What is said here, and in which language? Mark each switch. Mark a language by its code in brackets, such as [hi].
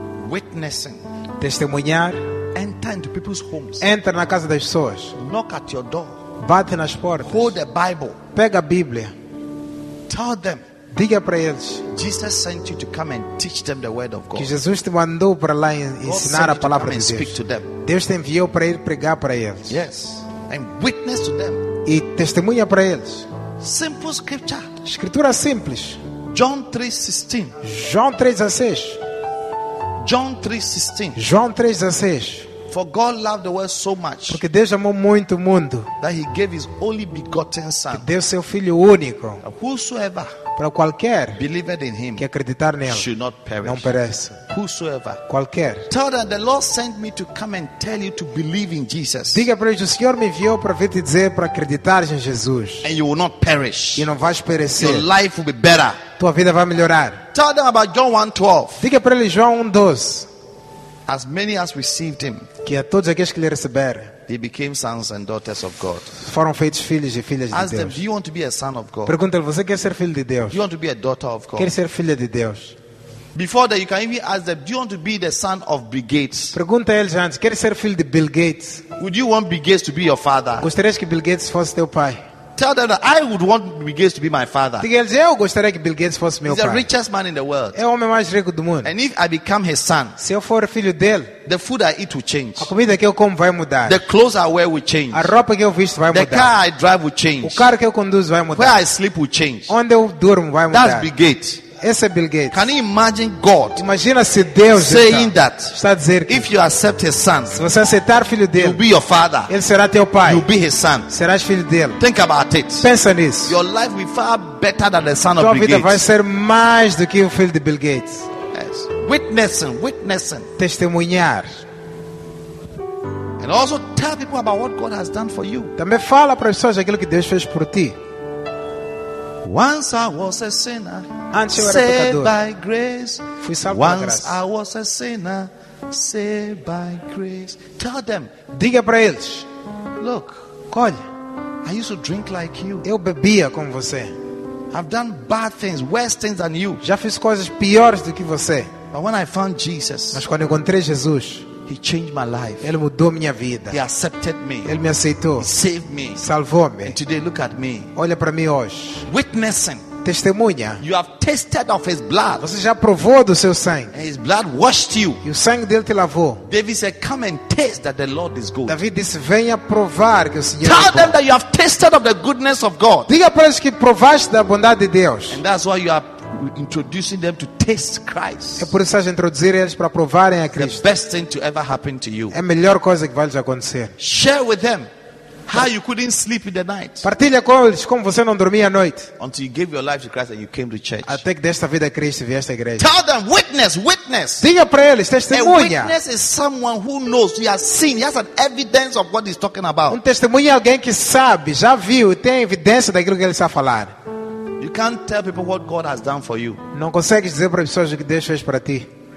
[en] Witnessing. [pt] Testemunhar. [en] Enter into people's homes. [pt] Entra na casa das pessoas. [en] Knock at your door. [pt] Bate nas portas. [en] Hold a Bible. [pt] Pega a Bíblia. [en] Tell them. [pt] Diga para eles. [en] Jesus sent you to come and teach them the word of God. [pt] Que Jesus te mandou para lá ensinar a palavra de Deus. [en] Speak to them. [pt] Deus te enviou para ir pregar para eles. [en] Yes. And witness to them. [pt] E testemunha para eles. [en] Simple scripture. [pt] Escritura simples. [en] John 3:16. [pt] João 3:16. [en] João 3:16. For God loved the world so much. [pt] Porque Deus amou muito o mundo. [en] That he gave his only begotten son. [pt] Que deu seu filho único. [en] Whosoever. [pt] Para qualquer. [en] Believed in him. [pt] Que acreditar nele. [en] Should not perish. [pt] Não perece. [en] Whosoever. [pt] Qualquer. [en] Tell them the Lord sent me to come and tell you to believe in Jesus. [pt] Diga para eles, o Senhor me enviou para vir te dizer para acreditar em Jesus. [en] And you will not perish. [pt] E não vais perecer. [en] Your life will be better. [pt] Tua vida vai melhorar. [en] Tell them about John 1:12. [pt] Diga para eles João 1:12. [en] As many as received him, [pt] que a todos aqueles que lhe receberam, [en] they became sons and daughters of God. [pt] Foram feitos filhos e filhas de Deus. [en] Ask them, do you want to be a son of God? [pt] Pergunta-lhe, você quer ser filho de Deus? [en] Do you want to be a daughter of God? [pt] Quer ser filha de Deus? [en] Before that, you can even ask them, do you want to be the son of Bill Gates? [pt] Pergunta-lhe antes, quer ser filho de Bill Gates? [en] Would you want Bill Gates to be your father? [pt] Gostarias que Bill Gates fosse teu pai? [en] Tell them that I would want Bill Gates to be my father. [pt] Diga-lhes, eu gostaria que Bill Gates fosse meu pai. [en] He's the richest man in the world. [pt] É o homem mais rico do mundo. [en] And if I become his son, [pt] se eu for filho dele, [en] the food I eat will change. [pt] A comida que eu como vai mudar. [en] The clothes I wear will change. [pt] A roupa que eu visto vai [en] the [pt] mudar. [en] The car I drive will change. [pt] O carro que eu conduzo vai mudar. [en] Where I sleep will change. [pt] Onde eu durmo vai mudar. [en] That's Bill Gates. [pt] Esse é Bill Gates. [en] Can you imagine God? [pt] Imagina se Deus [en] saying that. [pt] Está a dizer que [en] if you accept his son, [pt] se você aceitar filho dele, [en] you'll be your father. [pt] Ele será teu pai. [en] You'll be his son. [pt] Serás filho dele. [en] Think about it. [pt] Pensa nisso. [en] Your life will be far better than the son of Bill [pt] Gates. Tua vida vai ser mais do que o filho de Bill Gates. [en] Yes. Witnessing. [pt] Testemunhar. [en] And also tell people about what God has done for you. [pt] Também fala para as pessoas aquilo que Deus fez por ti. [en] Once I was a sinner, [pt] antes eu era [en] saved by grace. [pt] Fui salvo pela graça. [en] I was a sinner, saved by grace. Tell them. [pt] Diga para eles. [en] Look. [pt] Olha, [en] I used to drink like you. [pt] Eu bebia como você. [en] I've done bad things, worse things than you. [pt] Já fiz coisas piores do que você. [en] But when I found Jesus, [pt] mas quando encontrei Jesus, [en] he changed my life. [pt] Ele mudou minha vida. [en] He accepted me. [pt] Ele me aceitou. [en] He saved me. [pt] Salvou-me. [en] And today look at me. [pt] Olha para mim hoje. [en] Witnessing. [pt] testemunha. [en] You have tasted of his blood. [pt] Você já provou do seu sangue. [en] And his blood washed you. [pt] E o sangue dele te lavou. [en] David said, "Come and taste that the Lord is good." [pt] David disse, venha provar que o Senhor [en] tell [pt] é bom. [en] Them that you have tasted of the goodness of God. [pt] Diga para eles que provaste da bondade de Deus. [en] And that's why you are introducing them to taste Christ. [pt] É por isso que introduzir eles para provarem a Cristo. [en] The best thing to ever happen to you. [pt] É a melhor coisa que vai lhes acontecer. [en] Share with them how you couldn't sleep in the night. [pt] Partilha com eles como você não dormia à noite. [en] Until you gave your life to Christ and you came to church. [pt] Até que desta vida a Cristo e vieste à igreja. [en] Tell them witness. [pt] Diga para eles testemunha. [en] A witness is someone who knows, he has seen, he has an evidence of what he's talking about. [pt] Um testemunha é alguém que sabe, já viu, tem evidência daquilo que ele está a falar. [en] You can't tell people what God has done for you. [pt] Não consegue dizer para as pessoas o que Deus fez para ti.